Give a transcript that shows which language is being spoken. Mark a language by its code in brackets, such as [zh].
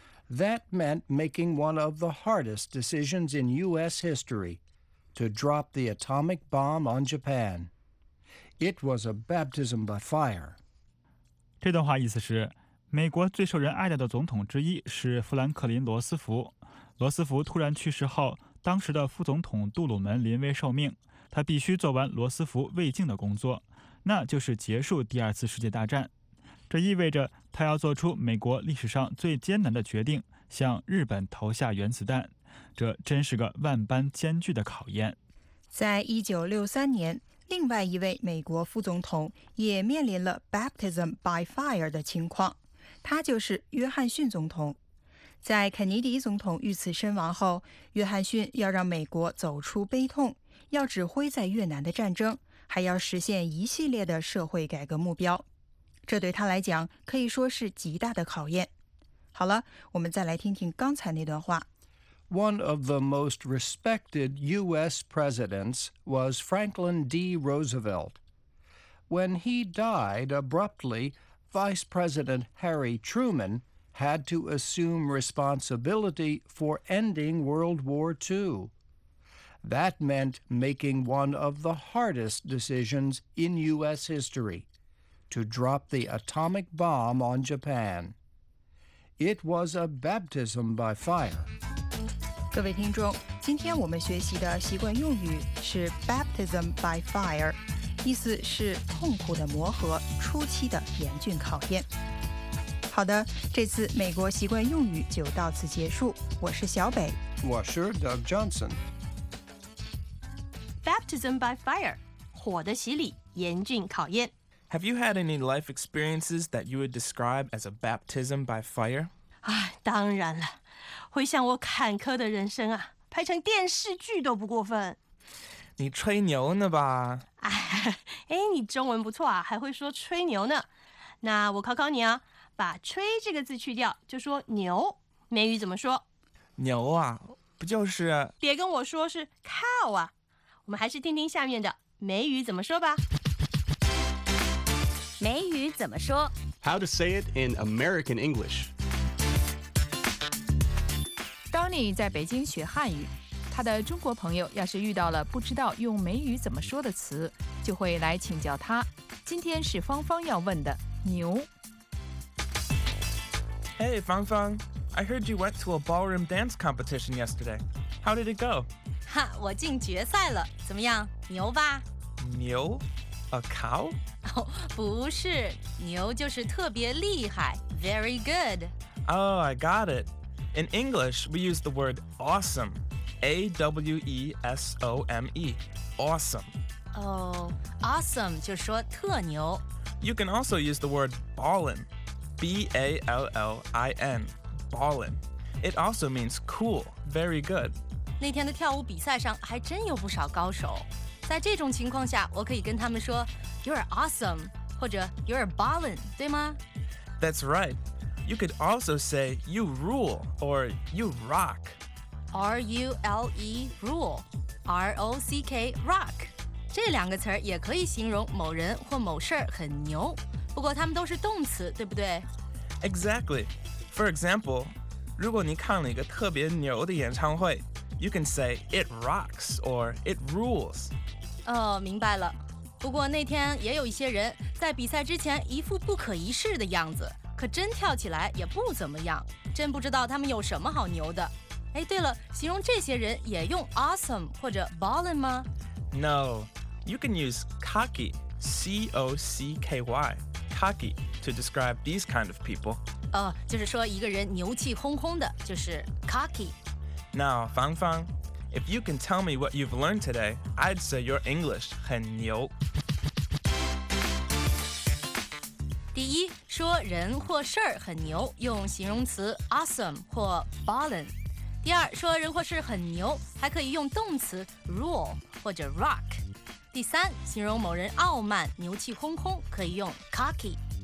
[en] That meant making one of the hardest decisions in U.S. history, to drop the atomic bomb on Japan. It was a baptism by fire. [zh] 这段话意思是，美国最受人爱戴的总统之一是富兰克林·罗斯福。罗斯福突然去世后，当时的副总统杜鲁门临危受命，他必须做完罗斯福未尽的工作，那就是结束第二次世界大战。这意味着他要做出美国历史上最艰难的决定，向日本投下原子弹。这真是个万般艰巨的考验。在1963年，另外一位美国副总统也面临了 [en] baptism by fire [zh] 的情况。他就是约翰逊总统。在肯尼迪总统遇刺身亡后，约翰逊要让美国走出悲痛，要指挥在越南的战争，还要实现一系列的社会改革目标，这对他来讲可以说是极大的考验。好了，我们再来听听刚才那段话。 [en] One of the most respected U.S. presidents was Franklin D. Roosevelt. When he died abruptly,Vice President Harry Truman had to assume responsibility for ending World War II. That meant making one of the hardest decisions in U.S. history, to drop the atomic bomb on Japan. It was a baptism by fire. [zh] 各位听众，今天我们学习的习惯用语是 [en] baptism by fire。 [zh] 意思是痛苦的磨合，初期的严峻考验。好的，这次美国习惯用语就到此结束。我是小北，我是 Doug Johnson。 [en] Baptism by fire， [zh] 火的洗礼，严峻考验。 [en] Have you had any life experiences that you would describe as a baptism by fire？ [zh] 哎，当然了，回想我坎坷的人生啊，拍成电视剧都不过分。你吹牛呢吧？哎，你中文不错啊，还会说吹牛呢。那我考考你啊，把吹这个字去掉，就说牛。美语怎么说？牛啊，不就是？别跟我说是 cow 啊。我们还是听听下面的美语怎么说吧。美语怎么说 [en] ？How to say it in American English？ [zh] Donnie 在北京学汉语。他的中国朋友要是遇到了不知道用美语怎么说的词，就会来请教他。今天是芳芳要问的牛。 [en] Hey, 芳芳， I heard you went to a ballroom dance competition yesterday. How did it go? [zh] 哈，我进决赛了，怎么样？牛吧？ [en] 牛？A cow? [zh] 哦，不是，牛就是特别厉害， [en] very good. Oh, I got it. In English, we use the word awesome. A-W-E-S-O-M-E. Awesome. Oh, awesome [zh] 就说特牛。 [en] You can also use the word ballin. B-A-L-L-I-N. Ballin. It also means cool, very good. [zh] 那天的跳舞比赛上还真有不少高手。在这种情况下，我可以跟他们说 [en] You're awesome, [zh] 或者 [en] You're ballin, [zh] 对吗？ [en] That's right. You could also say you rule or you rock. R-U-L-E, rule. R-O-C-K, rock. [zh] 这两个词也可以形容某人或某事很牛。不过它们都是动词，对不对？ [en] Exactly. For example, [zh] 如果你看了一个特别牛的演唱会， [en] you can say it rocks or it rules. [zh] 哦，明白了。不过那天也有一些人在比赛之前一副不可一世的样子，可真跳起来也不怎么样，真不知道他们有什么好牛的。哎，对了，形容这些人也用 awesome 或者 ballin 吗？ [en] No, you can use cocky, C-O-C-K-Y, cocky, to describe these kind of people. [zh] 就是说一个人牛气哄哄的，就是 cocky. [en] Now, Fang Fang,If you can tell me what you've learned today, I'd say your English [zh] 很牛。第一，说人或事很牛，用形容词 awesome 或 ballin。第二，说人或事很牛，还可以用动词 rule 或者 rock。第三，形容某人傲慢、牛气哄哄，可以用 cocky。